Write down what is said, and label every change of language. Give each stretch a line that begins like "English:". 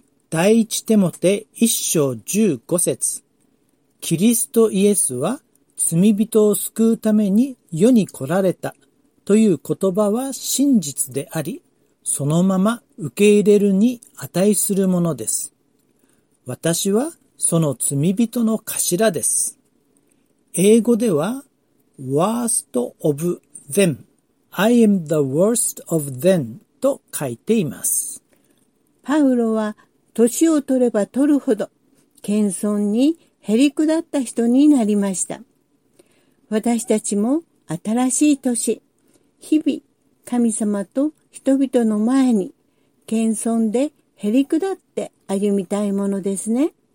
Japanese: 第一テモテ一章十五節、キリストイエスは罪人を救うために世に来られたという言葉は真実であり、そのまま受け入れるに値するものです。私はその罪人の頭です。英語では、
English: worst of them. I am the worst of them
Japanese: と書いています。パウロは年を取れば取るほど謙遜にへりくだった人になりました。私たちも新しい年、日々神様と人々の前に謙遜でへりくだって歩みたいものですね。